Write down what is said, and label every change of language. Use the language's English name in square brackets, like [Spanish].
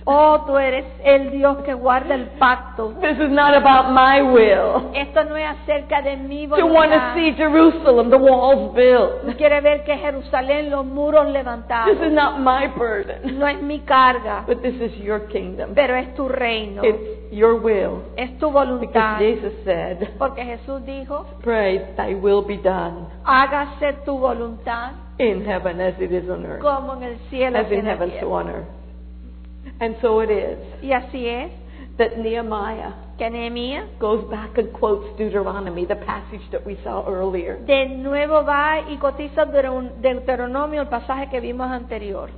[Spanish] Oh, tú eres el Dios que guarda el pacto. [English] This is not about my will. [Spanish] Esto no es acerca de mi voluntad. [English] To want to see Jerusalem, the walls built. [Spanish] Quiere ver que Jerusalén, los muros levantados. [English] This is not my burden. [Spanish] No es mi carga. [English] But this is your kingdom. [Spanish] Pero es tu reino. [English] It's your will. [Spanish] Es tu voluntad. [English] Because Jesus said. [Spanish] Porque Jesús dijo. [English] Pray, thy will be done. [Spanish] Hágase tu voluntad. [English] In heaven as it is on earth. [Spanish] Como en el cielo. [English] As in heaven so on earth. And so it is. [Spanish] Y así es. [English] That Nehemiah. [Spanish] Que Nehemiah [English] goes back and quotes Deuteronomy, the passage that we saw earlier. [Spanish] De nuevo va y cotiza Deuteronomio, el pasaje que vimos anterior.